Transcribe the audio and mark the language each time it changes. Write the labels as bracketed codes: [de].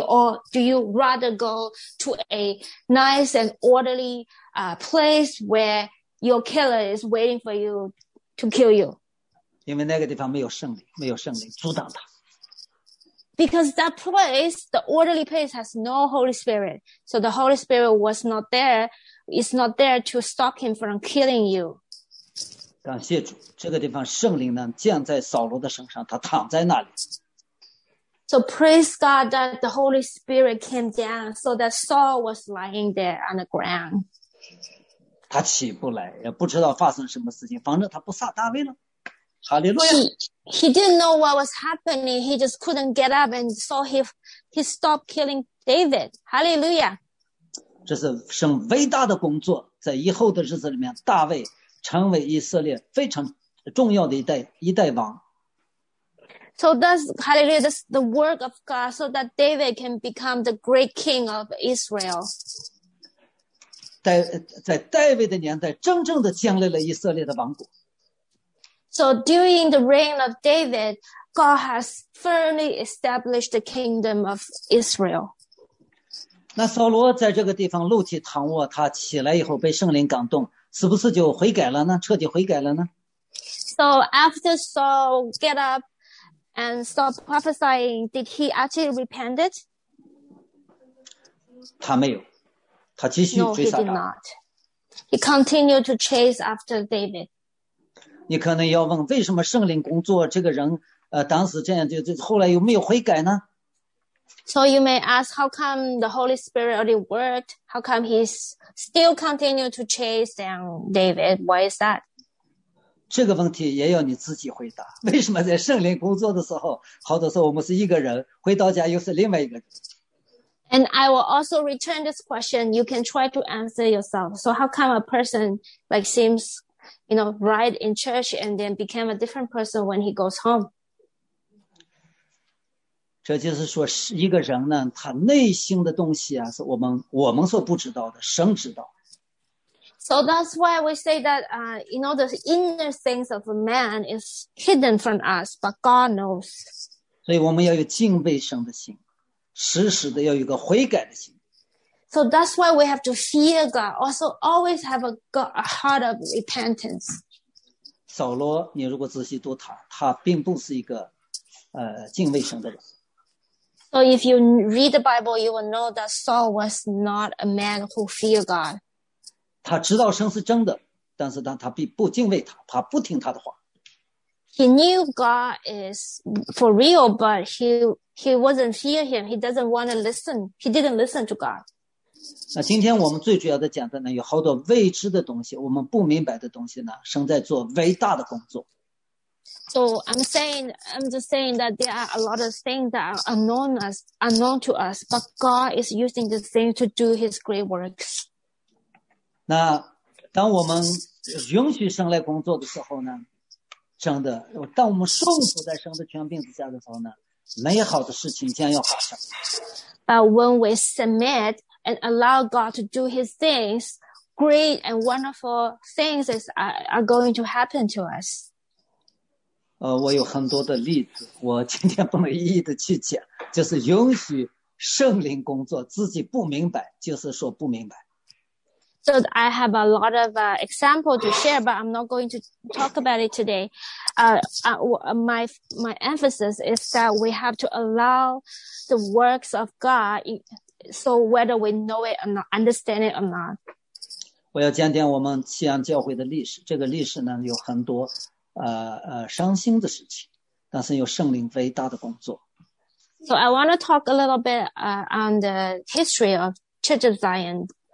[en] Or do you rather go to a nice and orderly place where your killer is waiting for you to kill you? [zh] 因为那个地方没有圣灵，没有圣灵阻挡他。 [en] Because that place, the orderly place, has no Holy Spirit, so the Holy Spirit was not there. It's not there to stop him from killing you. [zh] 感谢主，这个地方圣灵呢降在扫罗的身上，他躺在那里。 [en] So praise God that the Holy Spirit came down, so that Saul was lying there on the ground. [zh] 他起不来，也不知道发生什么事情，反正他不杀大卫了。 [en] Hallelujah. He didn't know what was happening. He just couldn't get up, and so he stopped killing David. Hallelujah. [zh] 这是神伟大的工作，在以后的日子里面，大卫成为以色列非常重要的一代王。 [en] So that's hallelujah, that's the work of God so that David can become the great king of Israel. [zh] 在戴维的年代真正的建立了以色列的王国。 [en] So during the reign of David, God has firmly established the kingdom of Israel. [zh] 那扫罗在这个地方肉体躺卧，他起来以后被圣灵感动，是不是就悔改了呢？彻底悔改了呢？ [en] So after Saul get up and stop prophesying, did he actually repented? [zh] 他没有，他继续 [en] No, [zh] 追杀 [en] he did [zh] 他。 [en] not. He continued to chase after David. [zh] 你可能要问，为什么圣灵工作这个人，当时这样就后来又没有悔改呢？ [en] So you may ask, how come the Holy Spirit already worked? How come he's still continue to chase down David? Why is that? [zh] 这个问题也要你自己回答。为什么在圣灵工作的时候，好多时候我们是一个人，回到家又是另外一个人？ [en] And I will also return this question. You can try to answer yourself. So how come a person like seems, right in church and then became a different person when he goes home? [zh] 这就是说，是一个人呢，他内心的东西啊，是我们所不知道的，神知道。 [en] So that's why we say that, the inner things of a man is hidden from us, but God knows. [zh] 所以我们要有敬畏神的心，时时的要有个悔改的心。 [en] So that's why we have to fear God, also always have a heart of repentance. [zh] 扫罗，你如果仔细读他并不是一个，敬畏神的人。 [en] So if you read the Bible, you will know that Saul was not a man who feared God. [zh] 他知道神是真的，但是他并不敬畏他，他不听他的话。 [en] He knew God is for real, but he wasn't fear him. He doesn't want to listen. He didn't listen to God. [zh] 那今天我们最主要的讲的呢，有好多未知的东西，我们不明白的东西呢，神在做伟大的工作。 [en] So I'm just saying that there are a lot of things that are unknown to us, but God is using the things to do His great works. [zh] 那当我们允许神来工作的时候呢，真的，当我们顺服在神的权柄之下的时候呢，美好的事情将要发生。 [en] But when we submit and allow God to do His things, great and wonderful things are going to happen to us. [zh] 我有很多的例子，我今天不能一一的去讲，就是允许圣灵工作，自己不明白，就是说不明白。 [en] So I have a lot of example to share, but I'm not going to talk about it today. My emphasis is that we have to allow the works of God, so whether we know it or not, understand it or not. [zh] 我要讲讲我们西安教会的历史，这个历史呢，有很多。伤心的事情，但是有圣灵伟大的工作。 [en] So I want to talk a little bit on the history of Church of Zion.